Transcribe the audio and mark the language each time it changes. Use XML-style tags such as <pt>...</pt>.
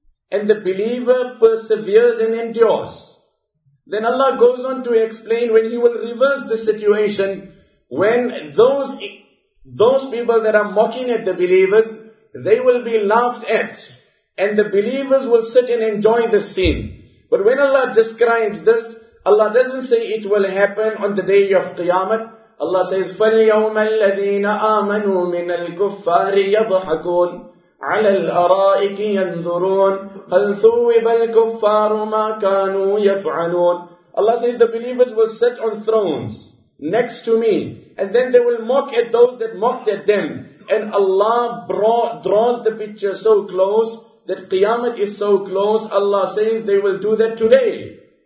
<en>And the believer perseveres and endures. Then Allah goes on to explain when He will reverse the situation, when those people that are mocking at the believers, they will be laughed at, and the believers will sit and enjoy the scene. But when Allah describes this, Allah doesn't say it will happen on the day of Qiyamah. Allah says,</en> <ar>فَالْيَوْمَ الَّذِينَ آمَنُوا مِنَ الْكُفَّارِ يَضْحَكُونَ عَلَى الْأَرَائِكِ يَنْظُرُونَ هَلْ ثُوِّبَ الْكُفَّارُ مَا كَانُوا يَفْعَلُونَ.</ar> <en>Allah says, the believers will sit on thrones next to me, and then they will mock at those that mocked at them. And Allah draws the picture so close, that Qiyamah is so close, Allah says they will do that today.</en>